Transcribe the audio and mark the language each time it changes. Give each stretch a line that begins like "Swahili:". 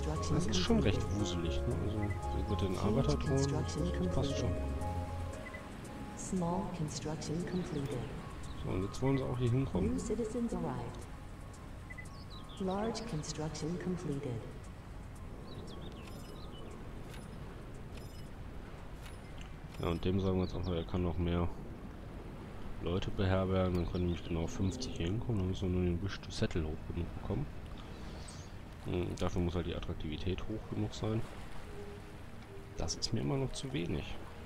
German: Das ist schon recht wuselig, ne? Also mit den Arbeitertonen, das passt schon.
English: Small construction completed.
German: So, und jetzt wollen sie auch hier hinkommen.
English: New citizens arrived. Large construction completed.
German: Ja, und dem sagen wir jetzt auch, er kann noch mehr Leute beherbergen. Dann können nämlich genau 50 hier hinkommen. Dann müssen wir nur den Wish to Settle hoch genug bekommen. Und dafür muss halt die Attraktivität hoch genug sein. Das ist mir immer noch zu wenig.